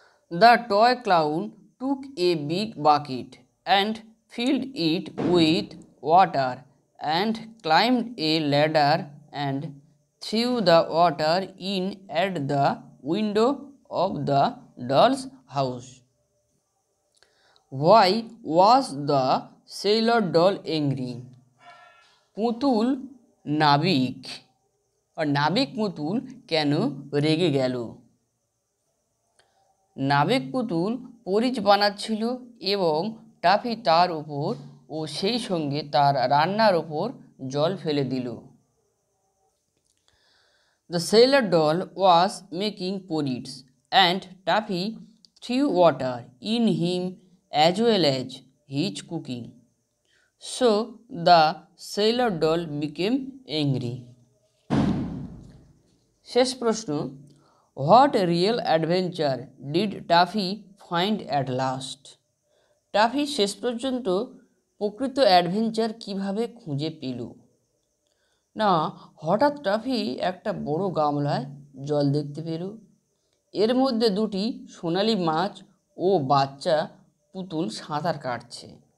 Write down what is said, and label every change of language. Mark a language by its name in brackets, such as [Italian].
[English] The toy clown took a big bucket and filled it with water and climbed a ladder and threw the water in at the window of the doll's house. Why was the sailor doll angry? [Bangla] পুতুল নাবিক আর নাবিক পুতুল কেন রেগে গেল? নাবিক পুতুল পরিচ বানাচ্ছিল এবং টাফি তার উপর ও সেই সঙ্গে তার রান্নার উপর জল ফেলে দিল। [English] The sailor doll was making porridge and Taffy threw water in him as well as his cooking. So the sailor doll became angry. [Bangla] শেষ প্রশ্ন, [English] What real adventure did Taffy find at last? [Bangla] Taffy শেষ পর্যন্ত প্রকৃত adventure কিভাবে খুঁজে পেল? না, হঠাৎ টাফি একটা বড় গামলায় জল দেখতে পেল। এর মধ্যে দুটি সোনালি মাছ ও বাচ্চা পুতুল সাঁতার কাটছে।